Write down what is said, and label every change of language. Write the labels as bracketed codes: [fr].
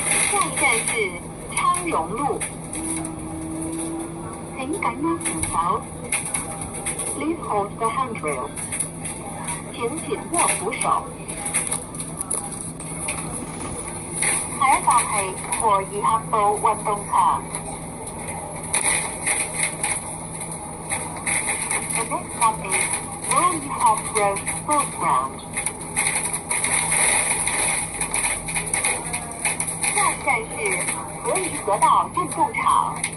[zh] 下一站是昌荣路，请紧握扶手。 [en] Please hold the handrail. [zh] 请紧握扶手。下一站是和宜合道运动场。 [en] The next stop is 和宜合 Road Sports Ground. [zh] 下一站是和宜合道运动场。